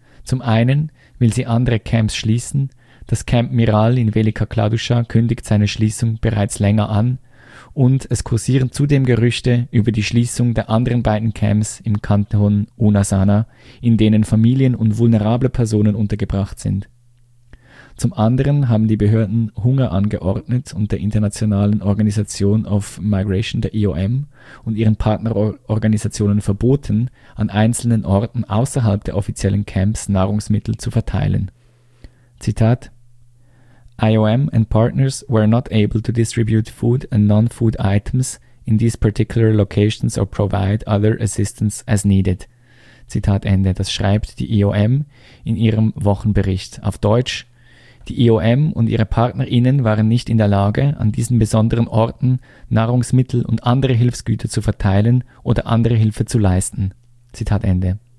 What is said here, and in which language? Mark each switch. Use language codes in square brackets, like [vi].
[de] Zum einen will sie andere Camps schließen, das Camp Miral in Velika Kladuscha kündigt seine Schließung bereits länger an und es kursieren zudem Gerüchte über die Schließung der anderen beiden Camps im Kanton Unasana, in denen Familien und vulnerable Personen untergebracht sind. Zum anderen haben die Behörden Hunger angeordnet und der Internationalen Organisation of Migration, der IOM, und ihren Partnerorganisationen verboten, an einzelnen Orten außerhalb der offiziellen Camps Nahrungsmittel zu verteilen. [en] Zitat: IOM and partners were not able to distribute food and non-food items in these particular locations or provide other assistance as needed. [de] Zitat Ende. Das schreibt die IOM in ihrem Wochenbericht auf Deutsch. Die IOM und ihre PartnerInnen waren nicht in der Lage, an diesen besonderen Orten Nahrungsmittel und andere Hilfsgüter zu verteilen oder andere Hilfe zu leisten. Zitat Ende.